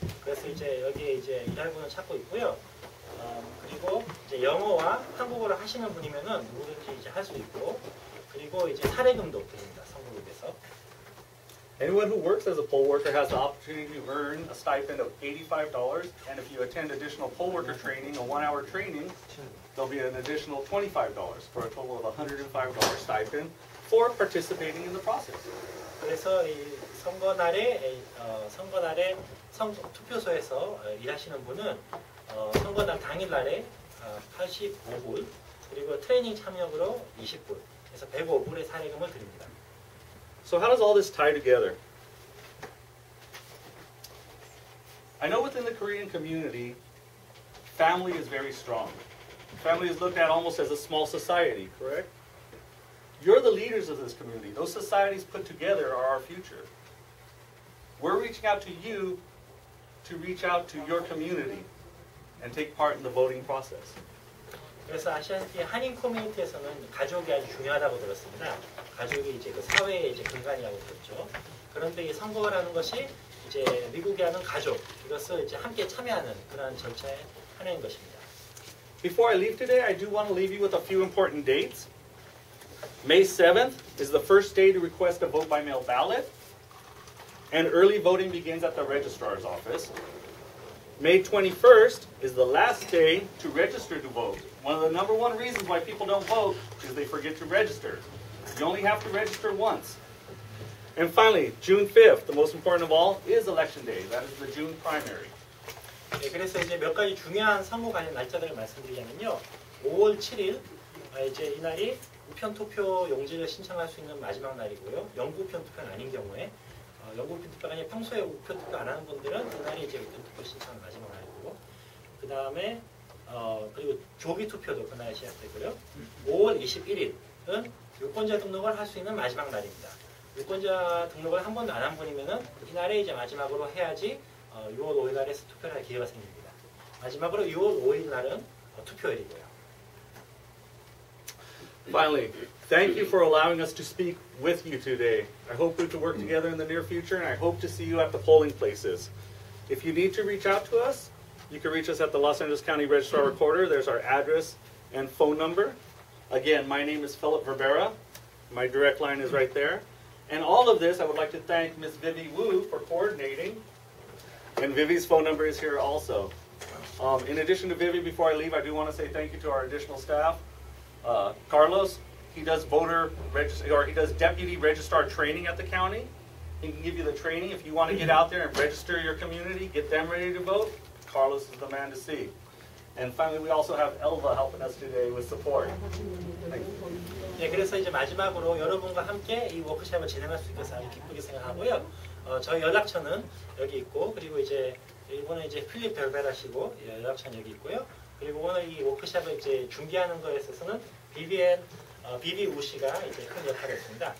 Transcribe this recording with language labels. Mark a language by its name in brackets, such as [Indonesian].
[Korean] 그래서 이제 여기에 이제 일할 분을 찾고 있고요. 그리고 이제 영어와 한국어를 하시는 분이면은 누구든지 이제 할 수 있고, 그리고 이제 사례금도 드립니다. 선거를 위해서. [English] Anyone who works as a poll worker has the opportunity to earn a stipend of $85, and if you attend additional poll worker training, a one-hour training, there'll be an additional $25 for a total of $105 stipend for participating in the process. [Korean] 그래서 이 선거날에 투표소에서 일하시는 분은 선거날 당일날에 85불 그리고 트레이닝 참여금으로 20불 그래서 105불의 사례금을 드립니다. [English] So how does all this tie together? I know within the Korean community, family is very strong. Family is looked at almost as a small society, correct? You're the leaders of this community. Those societies put together are our future. We're reaching out to you to reach out to your community and take part in the voting process. [Korean] 그래서 아시다시피 한인 커뮤니티에서는 가족이 아주 중요하다고 들었습니다. 가족이 이제 그 사회의 이제 근간이라고 들었죠. 그런데 이 선거라는 것이 이제 미국에 하는 가족, 이것을 이제 함께 참여하는 그런 절차의 하나인 것입니다. [English] Before I leave today, I do want to leave you with a few important dates. May 7th is the first day to request a vote by mail ballot. And early voting begins at the registrar's office. May 21st is the last day to register to vote. One of the number one reasons why people don't vote is they forget to register. You only have to register once. And finally, June 5th, the most important of all, is election day. That is the June primary. [Korean] 네, 그래서 이제 몇 가지 중요한 선거 관련 날짜들을 말씀드리자면요. 5월 7일, 이제 이날이 우편 투표 용지를 신청할 수 있는 마지막 날이고요. 영구우편 투표는 아닌 경우에. 영구우편 투표가 아니라 평소에 우편 투표 안 하는 분들은 이날이 이제 우편 투표 신청 마지막 날이고. 그 다음에 그리고 조기 투표도 그날 시작되고요. 5월 21일은 유권자 등록을 할 수 있는 마지막 날입니다. 유권자 등록을 한 번도 안 한 분이면은 이날에 이제 마지막으로 해야지 6월 5일 날에 투표를 할 기회가 생깁니다. 마지막으로 6월 5일 날은 투표일이고요. [English] Finally, thank you for allowing us to speak with you today. I hope we can work together in the near future, and I hope to see you at the polling places. If you need to reach out to us, you can reach us at the Los Angeles County Registrar Recorder. There's our address and phone number. Again, my name is Philip Verbera. My direct line is right there. And all of this, I would like to thank Ms. Vivi Wu for coordinating. And Vivi's phone number is here also. In addition to Vivi, before I leave, I do want to say thank you to our additional staff. Carlos, he does deputy registrar training at the county. He can give you the training. If you want to get out there and register your community, get them ready to vote, Carlos is the man to see. And finally, we also have Elva helping us today with support. Thank you. [Korean] 네, 그래서 이제 마지막으로 여러분과 함께 이 워크숍을 진행할 수 있어서 기쁘게 생각하고요. 저희 연락처는 여기 있고, 그리고 이제 이번에 이제 필립 벨베라시고 연락처는 여기 있고요. 그리고 오늘 이 워크숍을 이제 준비하는 거에 있어서는 비비우 씨가 이제 큰 역할을 했습니다.